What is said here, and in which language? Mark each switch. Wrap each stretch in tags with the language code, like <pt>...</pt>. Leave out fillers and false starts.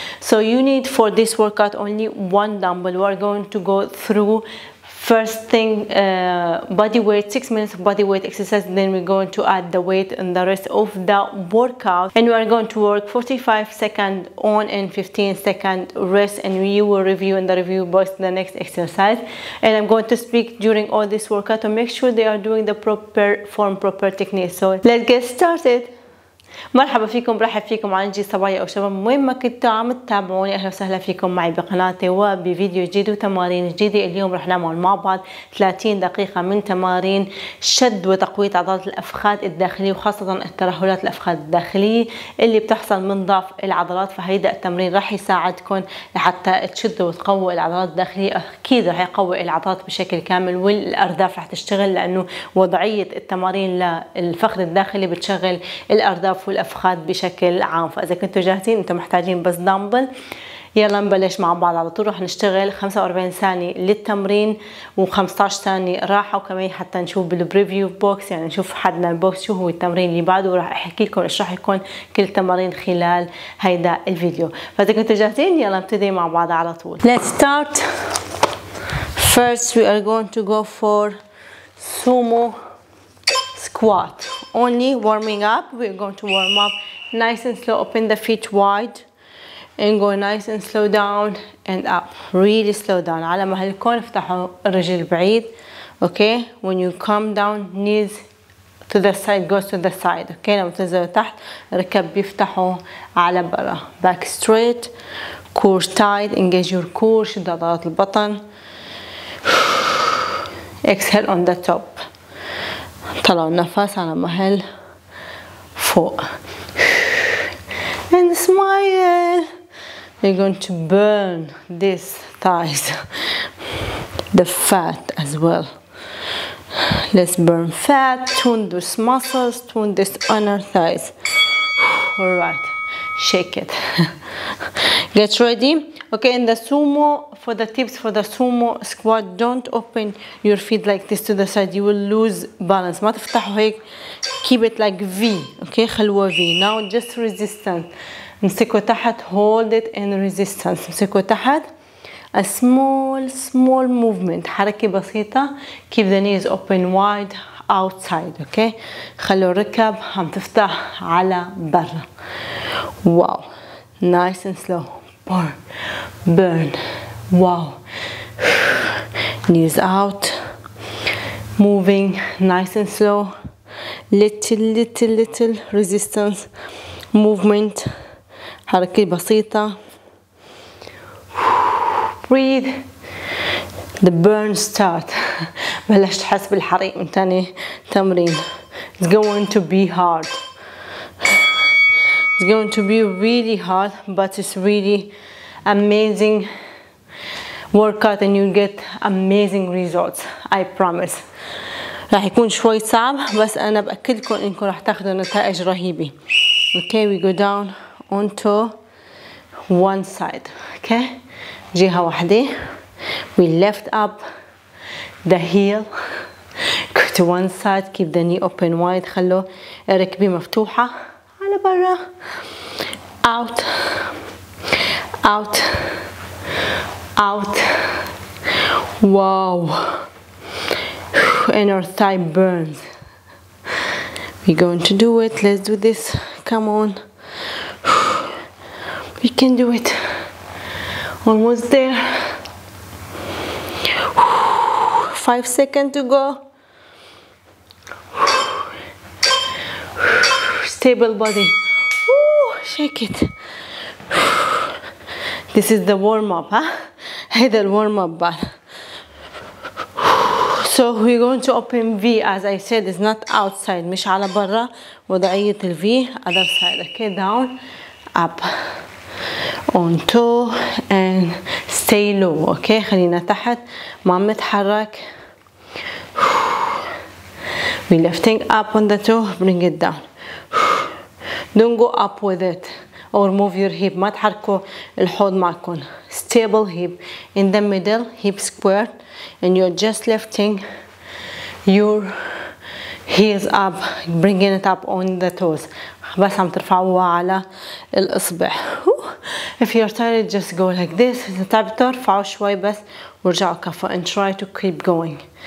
<en>So you need for this workout only one dumbbell. We are going to go through first thing body weight, 6 minutes of body weight exercise, then we're going to add the weight and the rest of the workout, and we are going to work 45 seconds on and 15 seconds rest, and you will review in the review box the next exercise. And I'm going to speak during all this workout to make sure they are doing the proper form, proper technique. So let's get started.</en> <ar>مرحبا فيكم، برحب فيكم على جي صبايا او شباب وين ما كنتوا عم تتابعوني، اهلا وسهلا فيكم معي بقناتي وبفيديو جديد وتمارين جديده. اليوم رح نعمل مع بعض 30 دقيقه من تمارين شد وتقويه عضلات الافخاد الداخليه وخاصه الترهلات الافخاد الداخليه اللي بتحصل من ضعف العضلات. فهيدا التمرين رح يساعدكم لحتى تشدوا وتقووا العضلات الداخليه، اكيد رح يقوي العضلات بشكل كامل والارداف رح تشتغل، لانه وضعيه التمارين للفخذ الداخلي بتشغل الارداف والافخاد بشكل عام. فاذا كنتوا جاهزين انتوا محتاجين بس دامبل، يلا نبلش مع بعض على طول. رح نشتغل 45 ثانية للتمرين و15 ثانية راحة، وكمان حتى نشوف بالبريفيو بوكس، يعني نشوف حدنا البوكس شو هو التمرين اللي بعده، وراح احكي لكم ايش راح يكون كل تمارين خلال هيدا الفيديو. فاذا كنتوا جاهزين يلا نبتدي مع بعض على طول.</ar> <en>Let's start. First we are going to go for sumo squat. Only warming up. We're going to warm up nice and slow. Open the feet wide and go nice and slow down and up. Really slow down.</en> <ar>على مهلكم افتحوا الرجل بعيد.</ar> <en>Okay. When you come down, knees to the side, goes to the side. Okay.</en> <ar>لما تنزلوا تحت ركب بيفتحوا على برا.</ar> <en>Back straight. Core tight. Engage your core.</en> <ar>شد عضلات البطن.</ar> <en>Exhale on the top.</en> <ar>طلعوا النفس على مهل فوق.</ar> <en>And smile. You're going to burn these thighs. The fat as well. Let's burn fat. Tune those muscles. Tune these inner thighs. Alright. Shake it. Get ready. Okay, in the sumo, for the tips for the sumo squat, don't open your feet like this to the side. You will lose balance.</en> <ar>ما تفتحوا هيك.</ar> <en>Keep it like V. Okay,</en> <ar>خلوه V.</ar> <en>Now just resistance.</en> <ar>مسكوا تحت.</ar> <en>Hold it in resistance.</en> <ar>مسكوا تحت.</ar> <en>A small, small movement.</en> <ar>حركة بسيطة.</ar> <en>Keep the knees open wide outside. Okay.</en> <ar>خلوا الركب عم تفتح على برا.</ar> <en>Wow. Nice and slow. Burn. Wow. Knees out. Moving nice and slow. Little resistance movement. حركة بسيطة. Breathe. The burn start.</en> <ar>بلشت حس بالحريق من تاني تمرين.</ar> <en>It's going to be hard. It's going to be really hard, but it's really amazing workout and you get amazing results. I promise.</en> <ar>راح يكون شوي صعب بس انا باكدكم انكم راح تاخذوا نتائج رهيبه.</ar> <en>Okay, we go down onto one side.</en> <ar>Okay, جهه واحده.</ar> <en>We lift up the heel. Go to one side, keep the knee open wide.</en> <ar>خلو ركبي مفتوحه على برا.</ar> <en>Out. Out, out, wow, inner thigh burns. We're going to do it, let's do this, come on, we can do it, almost there, 5 seconds to go, stable body, shake it. This is the warm up, huh? Hey, the warm up, but so we're going to open V. As I said, it's not outside.</en> <ar>مش على برا. وضعية ال V.</ar> <en>Other side. Okay, down, up, on toe and stay low.</en> <ar>Okay, خلينا تحت. ما متحرك.</ar> <en>We're lifting up on the toe, bring it down. Don't go up with it or move your hip.</en> <ar>ما تحركوا الحوض معكم.</ar> <en>Stable hip in the middle, hip squared, and you're just lifting your heels up, bringing it up on the toes.</en> <ar>بس عم ترفعوها على الاصبع.</ar> <en>If you're tired, just go like this.</en> <ar>إذا تعبتوا ارفعوا شوي بس ورجعوا كفوا</ar> <en>and try to keep going.</en>